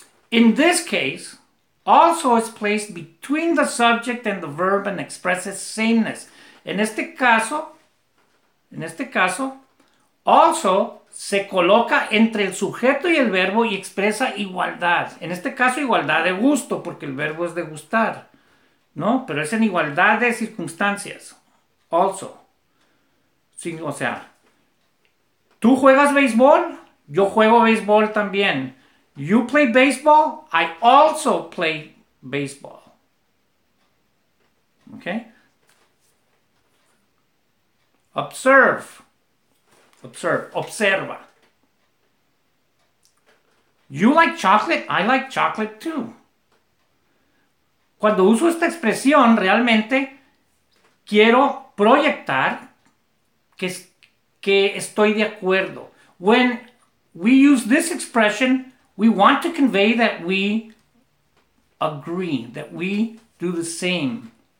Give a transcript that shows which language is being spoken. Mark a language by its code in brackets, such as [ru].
[en] In this case, also is placed between the subject and the verb and expresses sameness. [es] En este caso, also se coloca entre el sujeto y el verbo y expresa igualdad. En este caso, igualdad de gusto, porque el verbo es degustar, ¿no? Pero es en igualdad de circunstancias. Also. Sí, o sea, tú juegas béisbol, yo juego béisbol también. [en] You play baseball, I also play baseball. ¿Ok? Observe. Observe. Observa. You like chocolate? I like chocolate too. [es] Cuando uso esta expresión, realmente quiero proyectar que estoy de acuerdo. [en] When we use this expression, we want to convey that we agree, that we do the same.